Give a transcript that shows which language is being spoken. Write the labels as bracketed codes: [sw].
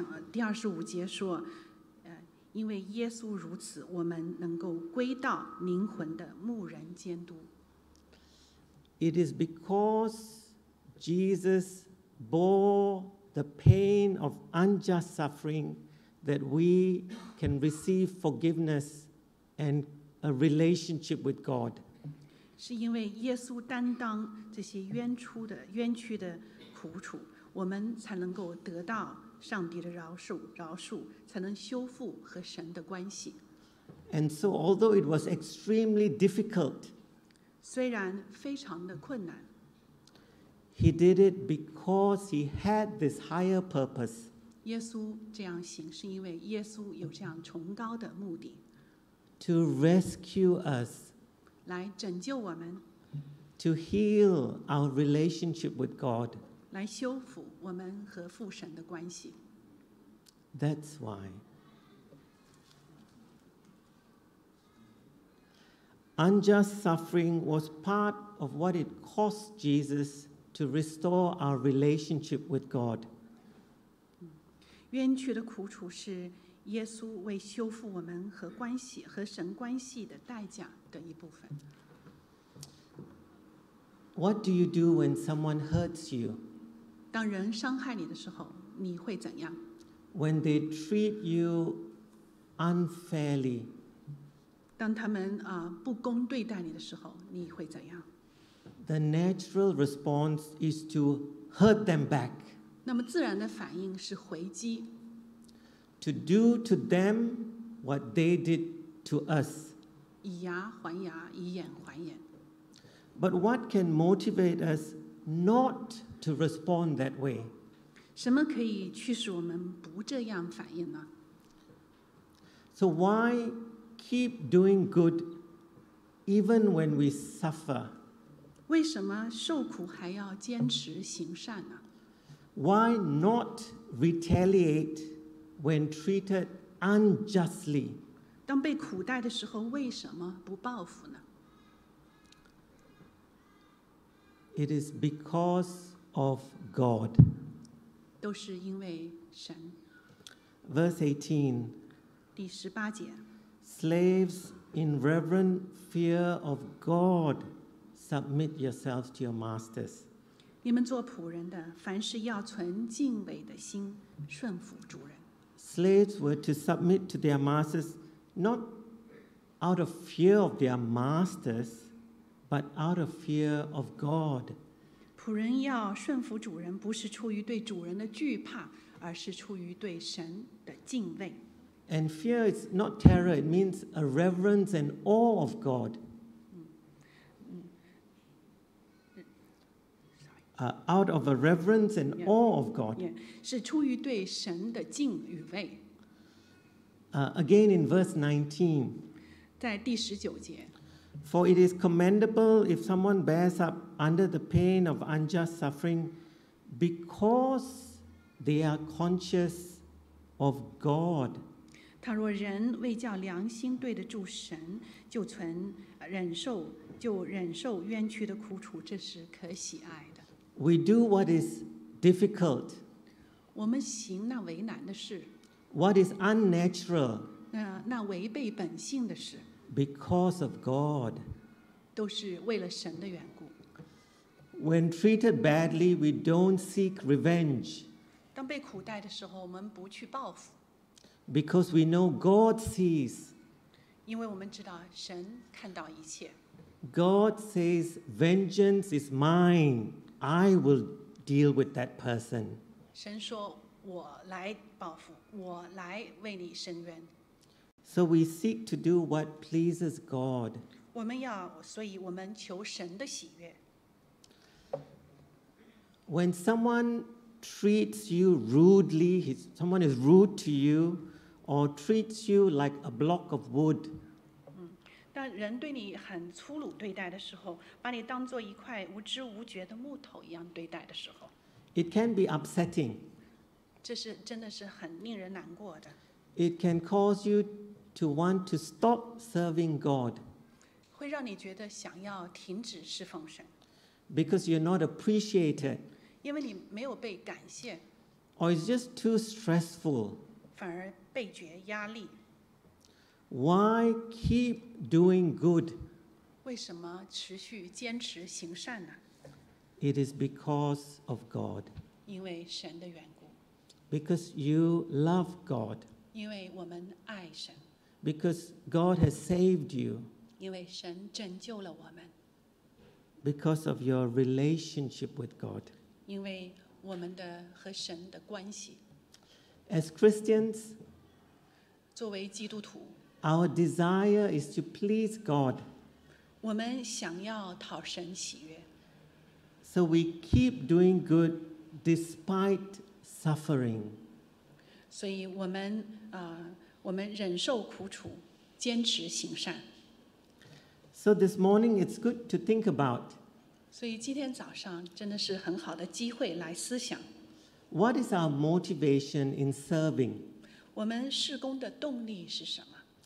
[zh] 第二十五节说，因为耶稣如此，我们能够归到灵魂的牧人监督。 [en] It is because Jesus bore the pain of unjust suffering that we can receive forgiveness and a relationship with God. [zh] 是因为耶稣担当这些冤屈的。苦楚，我们才能够得到上帝的饶恕，饶恕才能修复和神的关系。 [en] And so, although it was extremely difficult, [zh] 虽然非常的困难 [en] he did it because he had this higher purpose. [zh] 耶稣这样行是因为耶稣有这样崇高的目的 [en] to rescue us, [zh] 来拯救我们 [en] to heal our relationship with God, [zh] 来修复我们和父神的关系 [en] That's why. Unjust suffering was part of what it cost Jesus to restore our relationship with God. [zh] 冤屈的苦楚是耶稣为修复我们和关系和神关系的代价的一部分。 [en] What do you do when someone hurts you? [zh] 当人伤害你的时候，你会怎样？ [en] When they treat you unfairly. [zh] 当他们不公对待你的时候，你会怎样？ [en] The natural response is to hurt them back. [zh] 那么自然的反应是回击。 [en] To do to them what they did to us. [zh] 以牙还牙，以眼还眼。 [en] But what can motivate us not to respond that way? [zh] 什么可以驱使我们不这样反应呢？ [en] So why? Keep doing good, even when we suffer. [zh] 为什么受苦还要坚持行善呢？ [en] Why not retaliate when treated unjustly? [zh] 当被苦待的时候，为什么不报复呢？ [en] It is because of God. [zh] 都是因为神。 [en] Verse 18. [zh] 第十八节。 [en] Slaves, in reverent fear of God, submit yourselves to your masters. [zh] 你们做仆人的，凡事要存敬畏的心，顺服主人。 [en] Slaves were to submit to their masters, not out of fear of their masters, but out of fear of God. [zh] 仆人要顺服主人，不是出于对主人的惧怕，而是出于对神的敬畏。 [en] And fear is not terror, it means a reverence and awe of God. Out of a reverence and awe of God. [zh] 是出于对神的敬与畏。 [en] Again in verse 19. [zh] 在第十九节。 [en] For it is commendable if someone bears up under the pain of unjust suffering because they are conscious of God. [zh] 倘若人为叫良心对得住神，就存忍受，就忍受冤屈的苦楚，这是可喜爱的。 [en] We do what is difficult. [zh] 我们行那为难的事。 [en] What is unnatural? [zh] 那违背本性的事。 [en] Because of God. [zh] 都是为了神的缘故。 [en] When treated badly, we don't seek revenge. [zh] 当被苦待的时候，我们不去报复。 [en] Because we know God sees. [zh] 因为我们知道神看到一切。 [en] God says, "Vengeance is mine. I will deal with that person." [zh] 神说，我来报复，我来为你伸冤。 [en] So we seek to do what pleases God. [zh] 我们要，所以我们求神的喜悦。 [en] When someone treats you rudely, someone is rude to you. Or treats you like a block of wood. [zh] 当人对你很粗鲁对待的时候，把你当做一块无知无觉的木头一样对待的时候 [en] ，It can be upsetting. [zh] 这是真的是很令人难过的。 [en] It can cause you to want to stop serving God. [zh] 会让你觉得想要停止侍奉神。 [en] Because you're not appreciated. [zh] 因为你没有被感谢。 [en] Or it's just too stressful. [zh] 反而倍觉压力。 [en] Why keep doing good? [zh] 为什么持续坚持行善呢？ [en] It is because of God. [zh] 因为神的缘故。 [en] Because you love God. [zh] 因为我们爱神。 [en] Because God has saved you. [zh] 因为神拯救了我们。 [en] Because of your relationship with God. [zh] 因为我们的和神的关系。 [en] As Christians, [zh] 作为基督徒， [en] our desire is to please God. [zh] 我们想要讨神喜悦。 [en] So we keep doing good despite suffering. [zh] 所以我们我们忍受苦楚，坚持行善。 [en] So this morning, it's good to think about. [zh] 所以今天早上真的是很好的机会来思想。 [en] What is our motivation in serving? [zh] 我们事工的动力是什么？